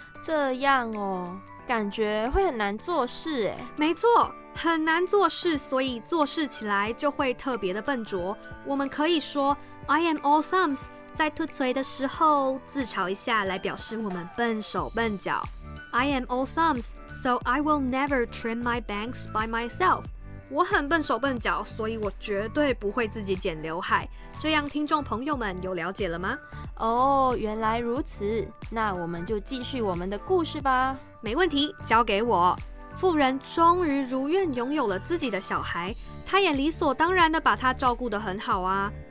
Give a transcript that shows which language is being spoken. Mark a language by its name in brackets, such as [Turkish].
[Chinese] 这样哦，感觉会很难做事耶。没错，很难做事，所以做事起来就会特别的笨拙。我们可以说 [English] I am all thumbs， [Chinese] 在吐槽的时候自嘲一下来表示我们笨手笨脚。 [English] I am all thumbs， so I will never trim my bangs by myself。 [Chinese] 我很笨手笨脚，所以我绝对不会自己剪刘海。这样听众朋友们有了解了吗？原来如此，那我们就继续我们的故事吧。没问题，交给我。妇人终于如愿拥有了自己的小孩，她也理所当然地把他照顾得很好啊。